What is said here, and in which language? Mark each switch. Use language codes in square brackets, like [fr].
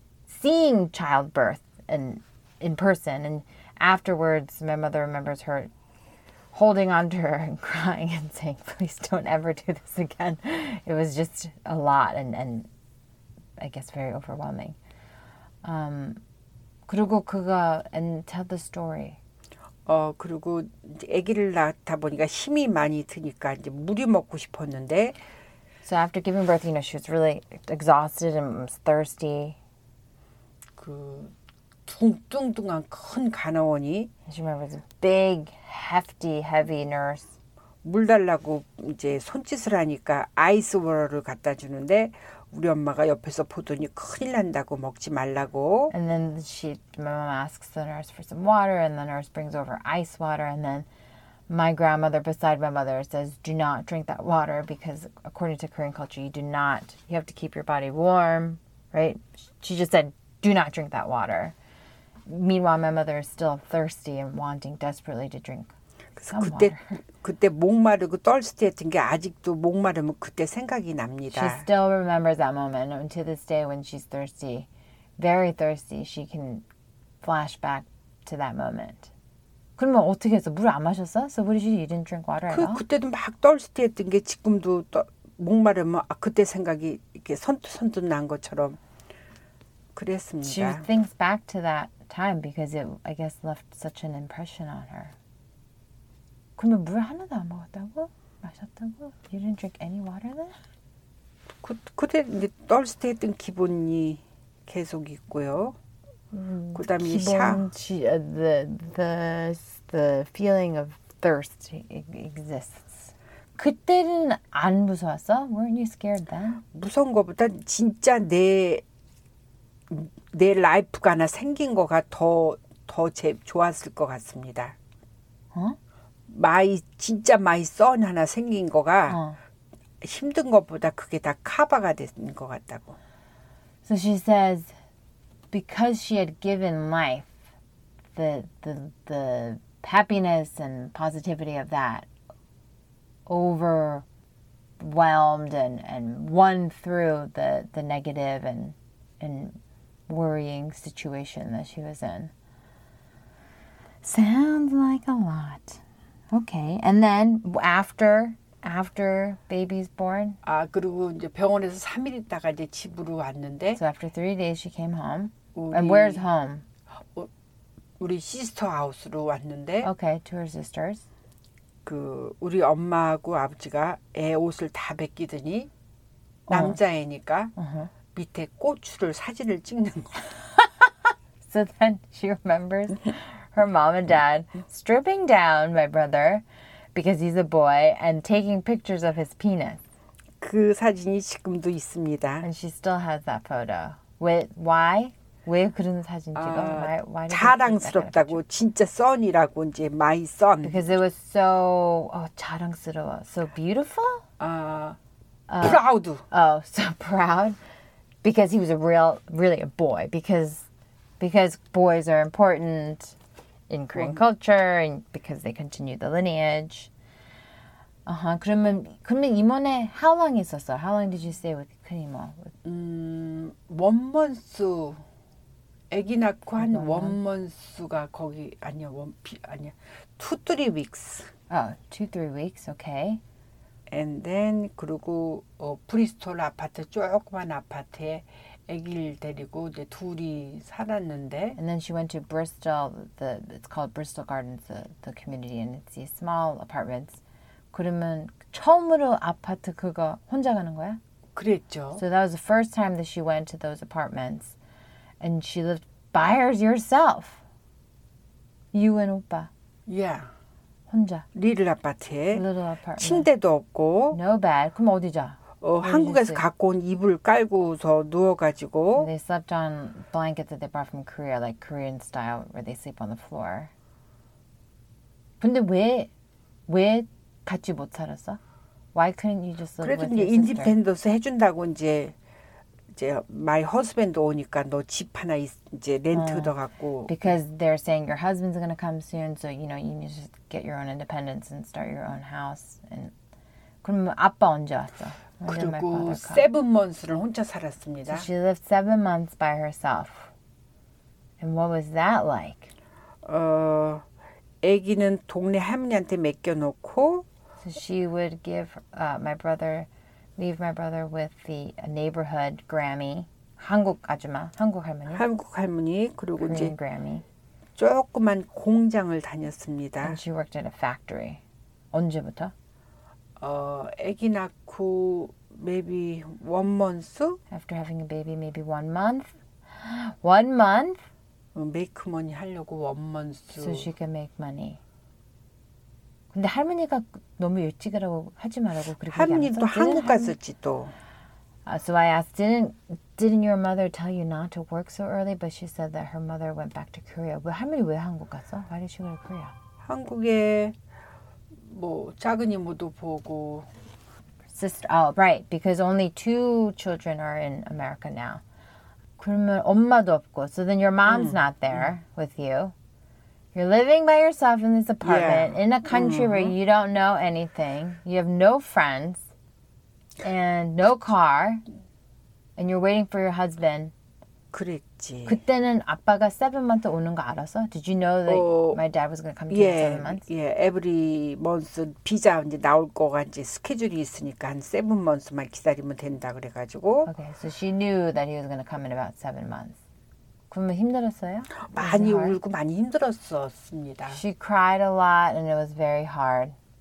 [en] Seeing childbirth in person, and afterwards, my mother remembers her holding onto her and crying and saying, "Please don't ever do this again." It was just a lot, and I guess very overwhelming. [ko] 그리고 그가 [en] and tell the story. [ko] 그리고 아기를 낳다 보니까 힘이 많이 드니까 이제 물이 먹고 싶었는데. [en] So after giving birth, you know, she was really exhausted and was thirsty. [ko] 그 뚱뚱뚱한 큰 간호원이 [en] She remembers a big, hefty, heavy nurse. [ko] 물 달라고 이제 손짓을 하니까 아이스 워터를 갖다 주는데 우리 엄마가 옆에서 보더니 큰일 난다고 먹지 말라고 [en] And then my mom asks the nurse for some water and the nurse brings over ice water and then my grandmother beside my mother says do not drink that water because according to Korean culture you have to keep your body warm, right? She just said Do not drink that water. Meanwhile, my mother is still thirsty and wanting desperately to drink some [ko] 그때, [en] water. [ko] 그때 목마르고 떨스티했던 게 아직도 목마르면 그때 생각이 납니다. [en] She still remembers that moment. And to this day, when she's thirsty, very thirsty, she can flash back to that moment. [ko] 그러면 어떻게 했어? 물 안 마셨어? [en] So what did you do? You didn't drink water at all? [ko] 그때도 막 떨스티했던 게 지금도 목마르면 그때 생각이 이렇게 선뜻선뜻 난 것처럼 그랬습니다. [en] She thinks back to that time because it, I guess, left such an impression on her. 그러면 물 하나도 안 먹었다고? [ko] 마셨다고? [en] You didn't drink any water then? [ko] 그때 이제 떨스티했던 기분이 계속 있고요. 그다음에 [en] the feeling of thirst exists. [ko] 그때는 안 무서웠어? [en] Weren't you scared then? [ko] 무서운 것보다 진짜 내 라이프가 하나 생긴 거가 더 좋았을 것 같습니다. 진짜 [en] 마이 썬 [ko] 하나 생긴 거가 힘든 것보다 그게 다 커버가 된 것 같다고. [en] So she says, because she had given life, the happiness and positivity of that overwhelmed and won through the negative and worrying situation that she was in. Sounds like a lot. Okay. And then after baby's born? [ko] 아, 그리고 이제 병원에서 3일 있다가 이제 집으로 왔는데 [en] So after 3 days she came home. [ko] 우리, [en] and where's home? [ko] 우리 시스터 하우스로 왔는데 [en] Okay, to her sisters. [ko] 그 우리 엄마하고 아버지가 애 옷을 다 벗기더니 남자애니까 밑에 고추를 사진을 찍는 거. [en] So then she remembers her mom and dad stripping down my brother because he's a boy and taking pictures of his penis. [ko] 그 사진이 지금도 있습니다. [en] And she still has that photo. With why? [ko] 왜 그런 사진 찍어? [en] Why [ko] 자랑스럽다고 진짜 son이라고 이제 [en] my son. Because it was so [ko] 자랑스러워. [en] So beautiful? Proud. Oh, so proud. Because he was really a boy. Because boys are important in Korean culture and because they continue the lineage. [ko] Uh-huh. 그러면 이모네 [en] how long [ko] 있었어? [en] How long did you stay with [ko] 큰 이모? 1 month. 아기 낳고 한 1 month가 거기 아니야. 아니야. [en] 2-3 weeks. Oh, 2-3 weeks. Okay. And then [ko] 그리고 브리스톨 아파트 조그만 아파트에 아기를 데리고 이제 둘이 살았는데. [en] And then she went to Bristol. It's called Bristol Gardens, the community, and it's these small apartments. [ko] 그러면 처음으로 아파트 그거 혼자 가는 거야? 그랬죠. [en] So that was the first time that she went to those apartments, and she lived by herself. You and 오빠. Yeah. [ko] 혼자. [en] Little apartment. Little apartment. [ko] 침대도 없고. [en] No bed. [ko] 그럼 어디 자? 한국에서 갖고 온 이불 깔고서 누워가지고. [en] And they slept on blankets that they brought from Korea, like Korean style, where they sleep on the floor. [ko] 근데 왜 같이 못 살았어? [en] Why couldn't you just live with your sister? [ko] 그래도 인디펜던스 해준다고 이제 [en] my husband [ko] 오니까 너 집 하나 이제 렌트 더 갖고. [en] Because they're saying your husband's gonna come soon, so you know you need to just get your own independence and start your own house. [ko] And 그럼 아빠 언제 왔어? 그리고 7 months를 혼자 살았습니다. [en] So she lived 7 months by herself. And what was that like? [ko] 아기는 동네 할머니한테 맡겨놓고. [en] So she would give leave my brother with the neighborhood Grammy, [ko] 한국 아줌마, 한국 할머니. 한국 할머니 그리고 [en] Korean [ko] 이제 [en] Grammy. [ko] 조그만 공장을 다녔습니다. [en] And she worked at a factory. [ko] 언제부터? 아기 낳고 [en] maybe 1 month. After having a baby, maybe 1 month. 1 month. Make money [ko] 하려고 [en] 1 month. So she can make money. [ko] 근데 할머니가 너무 일찍 하라고 하지 말라고 그렇게 얘기 안 했었지? 할머니도 한국 갔었지 또. [en] So I asked, didn't your mother tell you not to work so early? But she said that her mother went back to Korea. [ko] 왜 할머니 왜 한국 갔어? [en] Why did she go to Korea? [ko] 한국에 뭐 작은 이모도 보고. [en] Sister, oh right, because only 2 children are in America now. [ko] 그러면 엄마도 없고. [en] So then your mom's not there with you. You're living by yourself in this apartment in a country where you don't know anything. You have no friends and no car. And you're waiting for your husband. [ko] 그랬지. 그때는 아빠가 7 months 오는 거 알았어? [en] Did you know that my dad was going to come to you in 7 months? Yeah, every month [ko] 비자 이제 나올 거가 이제 스케줄이 있으니까 한 7 months만 기다리면 된다 그래가지고. [en] Okay, so she knew that he was going to come in about 7 months. [ko] 그러면 힘들었어요? 많이 울고 많이 힘들었었습니다. [en] She cried a lot and it was very hard.